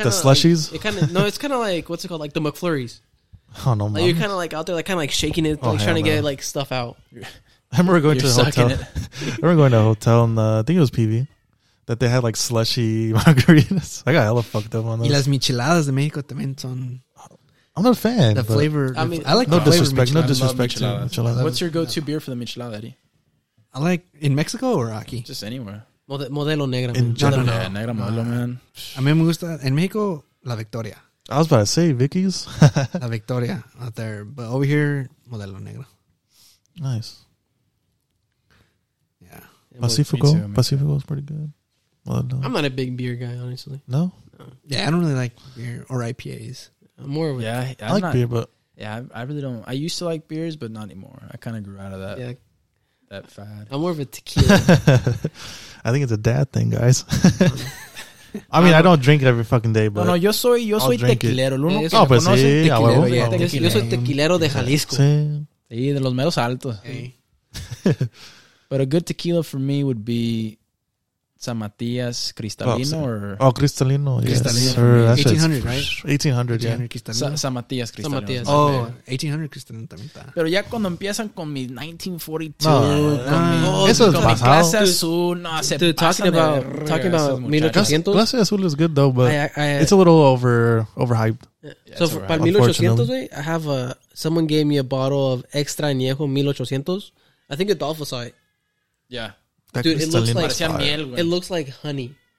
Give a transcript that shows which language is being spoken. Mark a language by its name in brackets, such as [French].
[English] kinda the slushies? Like, it's kind of like, what's it called? Like the McFlurries. Oh, no, like you're kind of like out there, like kind of like shaking it, like trying to get like stuff out. I remember going to a hotel and I think it was PV that they had like slushy margaritas. I got hella fucked up on those. [Spanish] Y las micheladas de México también son. [English] I'm not a fan. The flavor. I mean, I like the flavor. No disrespect to micheladas. What's your go-to beer for the michelada, Eddie? I like in Mexico or Aki? Just anywhere. Modelo negra. Negra modelo, man. [Spanish] A mí me gusta, en Mexico, La Victoria. [English] I was about to say, Vicky's. La Victoria out there. But over here, Modelo negra. Nice. Yeah. Pacifico. Pacifico is pretty good. I'm not a big beer guy, honestly. No? Yeah, I don't really like beer or IPAs. I'm more of a... Yeah, I like beer, but... Yeah, I really don't... I used to like beers, but not anymore. I kind of grew out of that. Yeah. That fad. I'm more of a tequila. I think it's a dad thing, guys. I mean, I don't drink it every fucking day, but... [Spanish] No, no, yo soy tequilero. No, pues sí. Yo soy tequilero de Jalisco. Sí. Sí, de los meros altos. [English] But a good tequila for me would be... San Matias Cristalino Cristalino. Cristalino. Yes. 1800, right? 1800, yeah. San Matias Cristalino. [Spanish] Oh, 1800 Cristalino también está. Pero ya cuando empiezan con mi 1942, no, eso es pasado. Con mi clase azul, no, se pasan. [English] Talking about 1800. Clase azul is good though, but it's a little overhyped. Yeah, so for 1800, I have someone gave me a bottle of Extra Añejo 1800. I think it's Adolfo saw it. Yeah. Dude, it looks like honey.